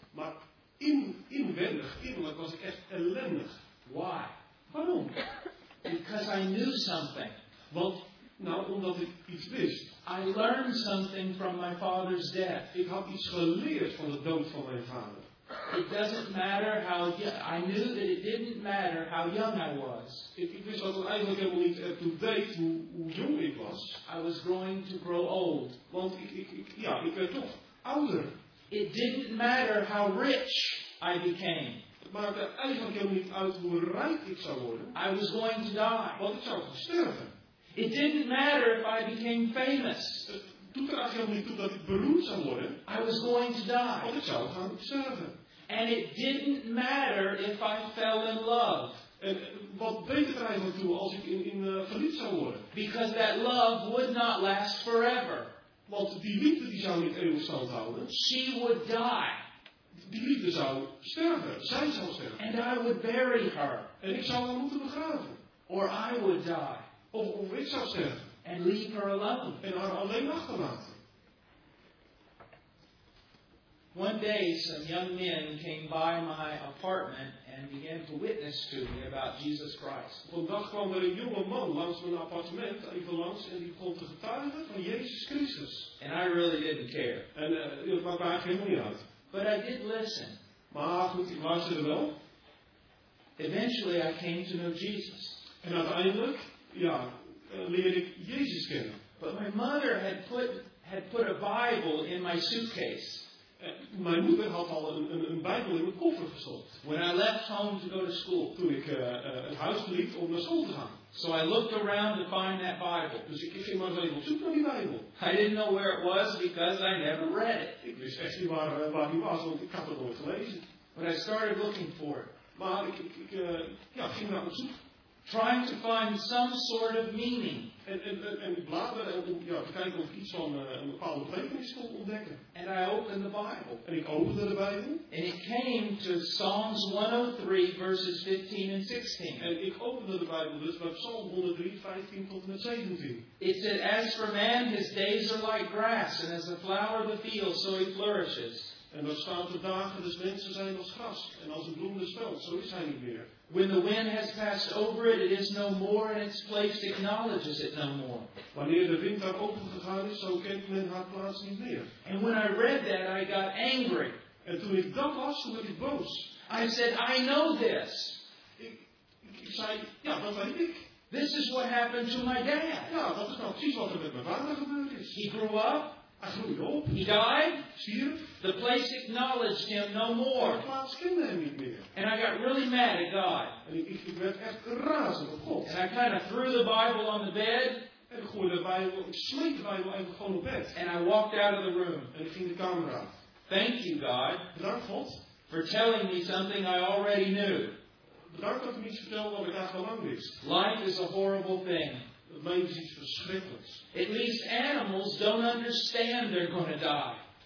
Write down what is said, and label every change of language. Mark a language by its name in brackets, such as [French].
[Dutch] Maar inwendig, innerlijk was ik echt ellendig. [English] Why? [Dutch] Waarom? [English] Because I knew something. [Dutch] Want, nou, omdat ik iets wist. [English] I learned something from my father's death. [Dutch] Ik had iets geleerd van de dood van mijn vader. [English] It doesn't matter how I knew that it didn't matter how young I was. [Dutch] Ik wist dat het eigenlijk helemaal niet ertoe deed hoe jong ik was. [English] I was going to grow old. [Dutch] Want ik werd toch ouder. [English] It didn't matter how rich I became. [Dutch] Het maakte eigenlijk helemaal niet uit hoe rijk ik zou worden. [English] I was going to die. [Dutch] Want ik zou sterven. [English] It didn't matter if I became famous. [Dutch] Het doet er eigenlijk helemaal niet toe dat ik beroemd zou worden. [English] I was going to die. [Dutch] Want ik zou gaan sterven. [English] And it didn't matter if I fell in love. [Dutch] En wat deed het eigenlijk toe als ik in verliefd zou worden? [English] Because that love would not last forever. [Dutch] Want die liefde die zou niet eeuwig stand houden. [English] She would die. [Dutch] Die liefde zou sterven. Zij zou sterven. [English] And I would bury her. [Dutch] En ik zou haar moeten begraven. [English] Or I would die. [Dutch] Of ik zou sterven. [English] And leave her alone. [Dutch] En haar alleen achterlaten. [English] One day some young men came by my apartment and began to witness to me about Jesus Christ. [Dutch] Op een dag kwam er een jonge man langs mijn appartement, even langs, en die begon te getuigen van Jezus Christus. [English] And I really didn't care. [Dutch] En het maakte eigenlijk helemaal niet uit. [English] But I did listen. [Dutch] Maar goed, ik luisterde wel. [English] Eventually I came to know Jesus. [Dutch] En uiteindelijk, ja, leerde ik Jezus kennen. [English] But my mother had put a Bible in my suitcase. [Dutch] Mijn moeder had al een Bijbel in mijn koffer gestopt. [English] When I left home to go to school, [Dutch] toen ik het huis verliet om naar school te gaan. [English] So I looked around to find that Bible. [Dutch] Dus ik ging maar even op zoek naar die Bijbel. [English] I didn't know where it was because I never read it. [Dutch] Ik wist echt niet waar die was, want ik had het nooit gelezen. [English] But I started looking for it. [Dutch] Maar ik ging naar op zoek. [English] Trying to find some sort of meaning. [Dutch] En bladeren om te kijken of ik iets van een bepaalde betekenis kon ontdekken. [English] And I opened the Bible. [Dutch] En ik opende de Bijbel. [English] And it came to Psalms 103 verses 15 and 16. [Dutch] En ik opende de Bijbel dus bij Psalm 103, 15 tot en met 17. [English] It said, as for man, his days are like grass, and as the flower of the field, so he flourishes. [Dutch] En dan staan de dagen des mensen zijn als gras. En als een bloem des veld, zo is hij niet meer. [English] When the wind has passed over it, it is no more, and its place acknowledges it no more. [Dutch] Wanneer de wind daar over gegaan is, zo kent men haar plaats niet meer. [English] And when I read that, I got angry. [Dutch] En toen ik dat las, toen werd ik boos. [English] I said, I know this. [Dutch] Ik zei, ja, dat weet ik. [English] This is what happened to my dad. [Dutch] Ja, dat is nou precies wat er met mijn vader gebeurd is. [English] He grew up. [Dutch] Hij groeide op. [English] He died. [Dutch] Stierf. [English] The place acknowledged him no more. [Dutch] De plaats kende hem niet meer. [English] And I got really mad at God. [Dutch] En ik werd echt razend op God. [English] And I kind of threw the Bible on the bed. [Dutch] En ik gooide de Bijbel, ik smeet de Bijbel even gewoon op bed. [English] And I walked out of the room. [Dutch] En ik ging de kamer uit. [English] Thank you, God. [Dutch] Bedankt, God. [English] For telling me something I already knew. [Dutch] Daar kan ik niets vertellen wat ik daar gelang is. [English] Life is a horrible thing. [Dutch] Het leven is iets verschrikkelijks. [English] At least animals don't understand they're going to die.